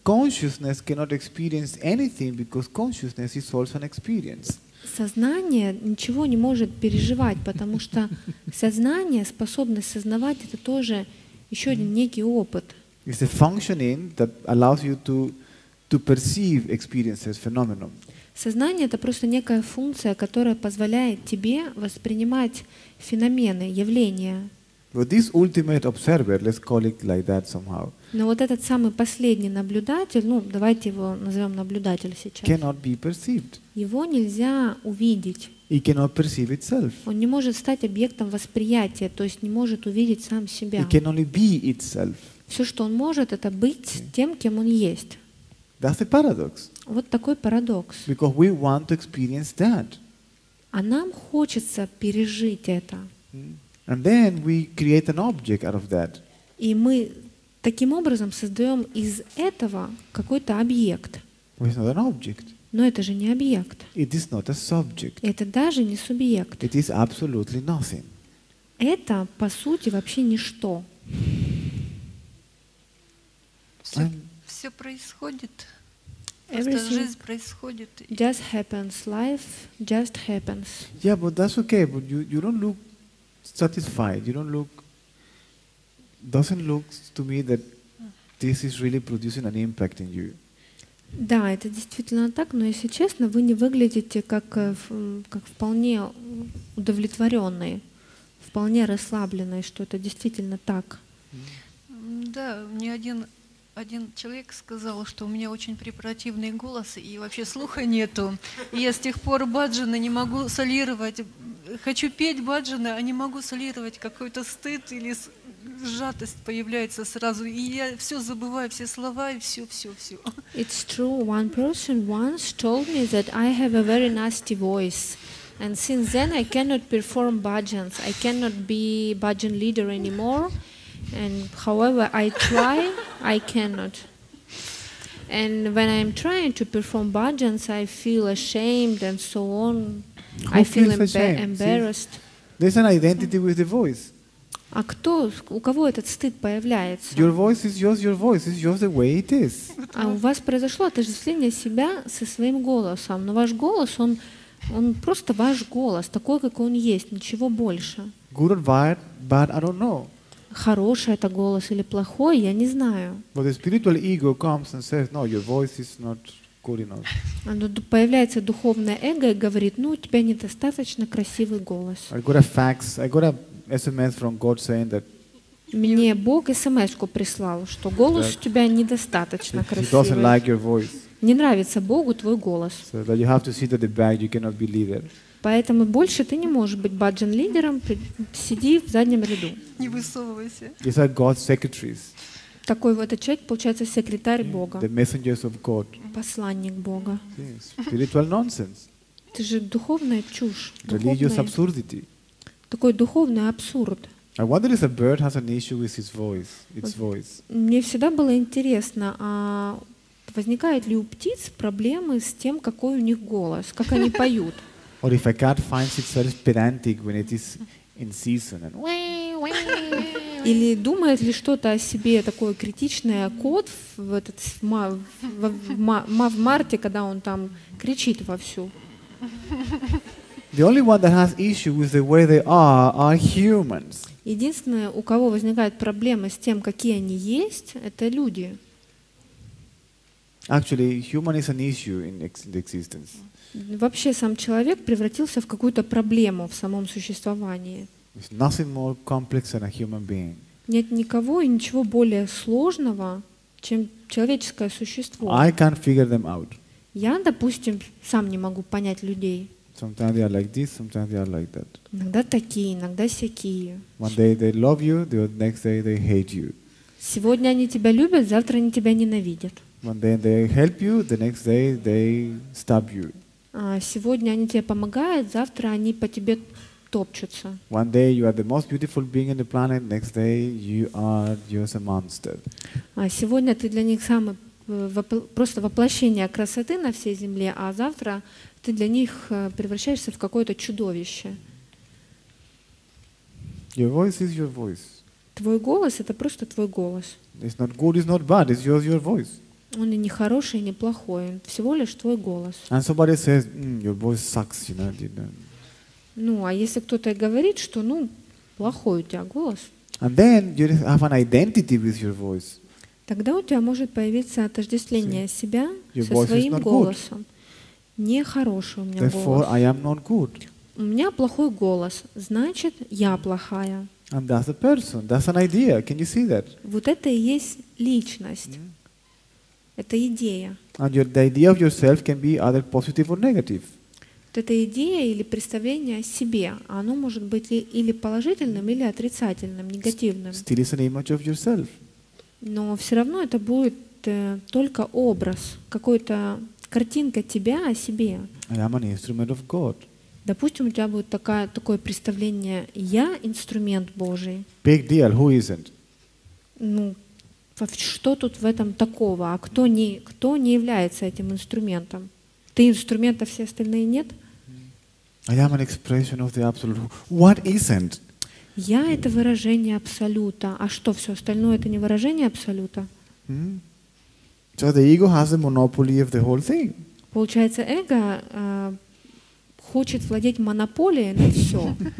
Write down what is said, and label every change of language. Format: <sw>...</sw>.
<en>Consciousness cannot experience anything because consciousness is also an experience.</en> <ru>Сознание ничего не может переживать, потому что сознание, способность сознавать — это тоже еще один некий опыт.</ru> <en>It's a functioning that allows you to perceive experiences, phenomena.</en> <ru>Сознание — это просто некая функция, которая позволяет тебе воспринимать феномены, явления.</ru> <en>But this ultimate observer, let's call it like that somehow.</en> <ru>Но вот этот самый последний наблюдатель, ну, давайте его назовем наблюдатель сейчас.</ru> <en>Cannot be perceived.</en> <ru>Его нельзя увидеть.</ru> <en>He cannot perceive itself.</en> <ru>Он не может стать объектом восприятия, то есть не может увидеть сам себя.</ru> <en>He can only be itself.</en> <ru>Все, что он может, — это быть тем, кем он есть.</ru> <en>That's a paradox.</en> <ru>Вот такой парадокс.</ru> <en>Because we want to experience that.</en> <ru>А нам хочется пережить это.</ru> <en>And then we create an object out of that.</en> <ru>И мы таким образом создаем из этого какой-то объект.</ru> <en>It's not an object.</en> <ru>Но это же не объект.</ru> <en>It is not a subject.</en> <ru>Это даже не субъект.</ru> <en>It is absolutely nothing.</en> <ru>Это по сути вообще ничто. Все происходит. Просто жизнь происходит.</ru> <en>Just happens. Life just happens. Yeah, but that's okay. But you don't look satisfied. You don't look. Doesn't look to me that this is really producing an impact in you.</en> <ru>Да, это действительно так. Но если честно, вы не выглядите как вполне удовлетворенный, вполне расслабленный, что это действительно так. Да, ни один. Один человек сказал, что у меня очень препаративный голос и вообще слуха нету. И я с тех пор баджаны не могу солировать. Хочу петь баджаны, а не могу солировать. Какой-то стыд или сжатость появляется сразу. И я все забываю, все слова и все.</ru> <en>It's true. One person once told me that I have a very nasty voice. And since then I cannot perform bhajans. I cannot be bhajan leader anymore. And however I try, I cannot. And when I'm trying to perform bhajans, I feel ashamed and so on. Who I feel embarrassed. See, there's an identity with the voice.</en> <ru>А кто, у кого этот стыд появляется?</ru> <en>Your voice is just your voice. It's just the way it is.</en> <ru>А у вас произошло отождествление себя со своим голосом. Но ваш голос, он просто ваш голос, такой, как он есть, ничего больше.</ru> <en>Good or bad, I don't know.</en> <ru>Хороший это голос или плохой, я не знаю.</ru> <en>But the spiritual ego comes and says, no, your voice is not good enough.</en> <ru>Оно появляется духовное эго и говорит, ну, у тебя недостаточно красивый голос.</ru> <en>I got a fax, I got a SMS from God saying that.</en> <ru>Мне Бог смс-ку прислал, что голос у тебя недостаточно красивый.</ru> <en>He doesn't like your voice.</en> <ru>Не нравится Богу твой голос.</ru> <en>So that you have to sit at the back, you cannot be leader.</en> <ru>Поэтому больше ты не можешь быть баджан-лидером, сиди в заднем ряду. Не высовывайся.</ru> <en>These are God's secretaries.</en> <ru>Такой вот человек, получается, секретарь Бога.</ru> <en>The messengers of God.</en> <ru>Посланник Бога.</ru> <en>Yes. Spiritual nonsense.</en> <ru>Это же духовная чушь.</ru> <en>Religious absurdity.</en> <ru>Такой духовный абсурд.</ru> <en>I wonder if a bird has an issue with his voice, its voice.</en> <ru>Мне всегда было интересно, а возникают ли у птиц проблемы с тем, какой у них голос, как они поют?</ru> <en>Or if a cat finds itself pedantic when it is in season and.</en> <ru>Или думает ли что-то о себе такое критичное кот в этот в марте, когда он там кричит вовсю?</ru> <en>The only one that has issue with the way they are humans.</en> <ru>Единственное, у кого возникает проблема с тем, какие они есть, это люди.</ru> <en>Actually, human is an issue in existence.</en> <ru>Вообще сам человек превратился в какую-то проблему в самом существовании.</ru> <en>There's nothing more complex than a human being.</en> <ru>Нет никого и ничего более сложного, чем человеческое существо.</ru> <en>I can't figure them out.</en> <ru>Я, допустим, сам не могу понять людей.</ru> <en>Sometimes they are like this, sometimes they are like that.</en> <ru>Иногда такие, иногда всякие.</ru> <en>One day they love you, the next day they hate you.</en> <ru>Сегодня они тебя любят, завтра они тебя ненавидят.</ru> <en>One day they help you, the next day they stab you.</en> <ru>Сегодня они тебе помогают, завтра они по тебе топчутся.</ru> <en>One day you are the most beautiful being on the planet, next day you are just a monster.</en> <ru>Сегодня ты для них самый просто воплощение красоты на всей земле, а завтра ты для них превращаешься в какое-то чудовище.</ru> <en>Your voice is your voice.</en> <ru>Твой голос — это просто твой голос.</ru> <en>It's not good, it's not bad, it's just your voice.</en> <ru>Он и не хороший, и не плохой, он всего лишь твой голос.</ru> <en>And somebody says, your voice sucks, you know, you know.</en> <ru>Ну, а если кто-то и говорит, что, ну, плохой у тебя голос.</ru> <en>And then you have an identity with your voice.</en> <ru>Тогда у тебя может появиться отождествление</ru> <en>See?</en> <ru>Себя your со своим голосом. Нехороший у меня</ru> <en>Therefore,</en> <ru>голос.</ru> <en>I am not good.</en> <ru>У меня плохой голос, значит, я плохая.</ru> <en>And that's a person, that's an idea. Can you see that?</en> <ru>Вот это и есть личность. Yeah. Это идея.</ru> <en>And the idea of yourself can be either positive or negative.</en> <ru>Вот эта идея или представление о себе, оно может быть или положительным, или отрицательным, негативным.</ru> <en>Still is an image of yourself.</en> <ru>Но все равно это будет только образ, какой-то картинка тебя о себе.</ru> <en>I am an instrument of God.</en> <ru>Допустим, у тебя будет такое представление: я инструмент Божий.</ru> <en>Big deal. Who isn't?</en> <ru>Ну. Что тут в этом такого? А кто не является этим инструментом? Ты инструмент, а все остальные нет?</ru> <en>I am an expression of the absolute. What isn't?</en> <ru>Я — это выражение Абсолюта. А что, все остальное — это не выражение Абсолюта?</ru> <en>So the ego has the monopoly of the whole thing.</en> <ru>Получается, эго хочет владеть монополией на все.</ru>